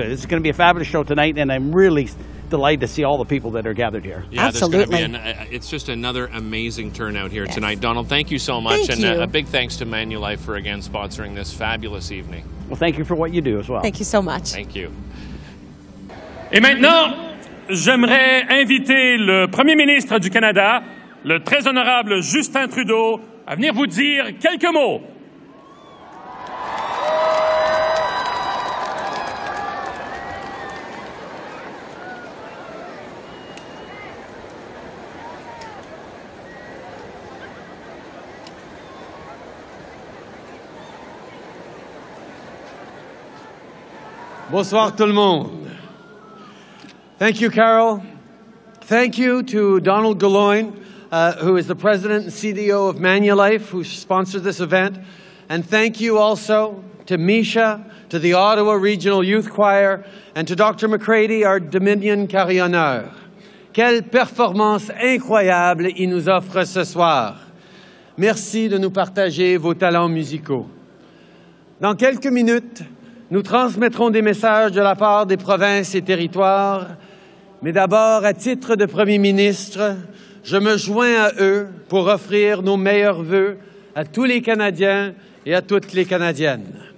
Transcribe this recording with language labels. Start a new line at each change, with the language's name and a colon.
English: This is going to be a fabulous show tonight, and I'm really delighted to see all the people that are gathered here. Yeah, absolutely. It's just another amazing turnout here tonight. Donald, thank you so much. Thank you. A big thanks to Manulife for, again, sponsoring this fabulous evening. Well, thank you for what you do as well. Thank you so much. Thank you.
French: Et maintenant, j'aimerais inviter le Premier ministre du Canada, le très honorable Justin Trudeau, à venir vous dire quelques mots. Bonsoir tout le monde.
English: Thank you, Carol. Thank you to Donald Galloyne, who is the president and CEO of Manulife, who sponsored this event. And thank you also to Misha, to the Ottawa Regional Youth Choir, and to Dr. McCready, our Dominion Carillonneur.
French: Quelle performance incroyable il nous offre ce soir. Merci de nous partager vos talents musicaux. Dans quelques minutes, nous transmettrons des messages de la part des provinces et territoires, mais d'abord, à titre de Premier ministre, je me joins à eux pour offrir nos meilleurs vœux à tous les Canadiens et à toutes les Canadiennes.